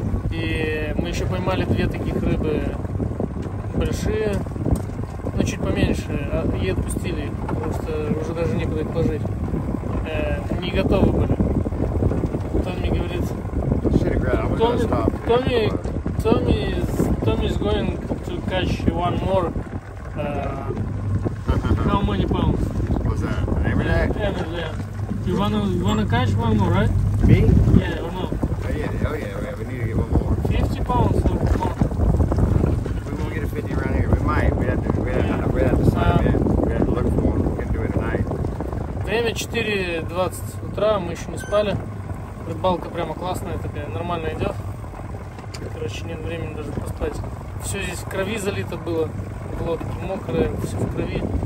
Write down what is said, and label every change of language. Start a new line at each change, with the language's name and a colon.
Russian: И мы еще поймали две таких рыбы большие, но чуть поменьше, и отпустили, потому что уже даже не было их положить. Не готовы были. Томми говорит,
English: Томми is going to catch one more how many pounds? What's that? Every day? Every day. You wanna catch one more, right? Me? Yeah, or no? Oh yeah, we need to get one more. 50 pounds or more? We won't get a 50 around here. We might. We have to decide. We have to look for one. We can do it tonight.
Russian: Время 4:20 утра, мы еще не спали. Рыбалка прямо классная такая, нормально идет. Короче, нет времени даже поспать. Все здесь в крови залито было. Было таки мокрое, все в крови.